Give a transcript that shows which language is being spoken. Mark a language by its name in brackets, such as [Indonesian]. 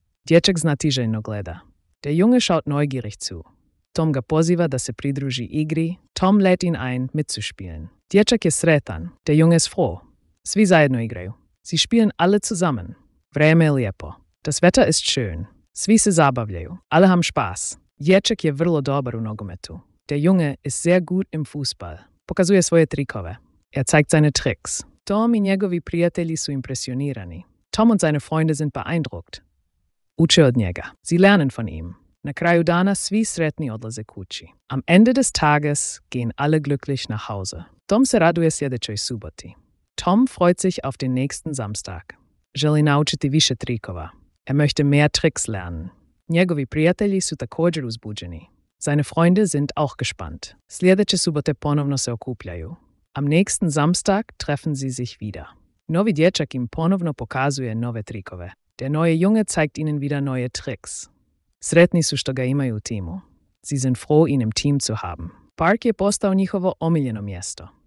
[Croatian] Dječak znatiželjno gleda. [German] Der Junge schaut neugierig zu. [Croatian] Tom ga poziva da se pridruži igri. [German] Tom lädt ihn ein, mitzuspielen. [Croatian] Dječak je sretan. [German] Der Junge ist froh. [Croatian] Svi zajedno igraju. [German] Sie spielen alle zusammen. [Croatian] Vreme je lijepo. [German] Das Wetter ist schön. [Croatian] Svi se zabavljaju. [German] Alle haben Spaß. [Croatian] Dječak je vrlo dobar u nogometu. [German] Der Junge ist sehr gut im Fußball. [Croatian] Pokazuje svoje trikove. [German] Zeigt seine Tricks. [Croatian] Tom i njegovi prijatelji su impresionirani. [German] Tom und seine Freunde sind beeindruckt. [Croatian] Uče od njega. [German] Sie lernen von ihm. [Croatian] Na kraju dana svi sretni odlaze kući. [German] Am Ende des Tages gehen alle glücklich nach Hause. [Croatian] Tom se raduje sljedećoj suboti. [German] Tom freut sich auf den nächsten Samstag. [Croatian] Želi naučiti više trikova. [German] Möchte mehr Tricks lernen. [Croatian] Njegovi prijatelji su također uzbuđeni. [German] Seine Freunde sind auch gespannt. [Croatian] Sljedeće subote ponovno se okupljaju. [German] Am nächsten Samstag treffen sie sich wieder. [Croatian] Novi dječak im ponovno pokazuje nove trikove. [German] Der neue Junge zeigt ihnen wieder neue Tricks. [Croatian] Sretni su što ga imaju u timu. [German] Sie sind froh, ihn im Team zu haben. [Croatian] Park je postao njihovo omiljeno mjesto.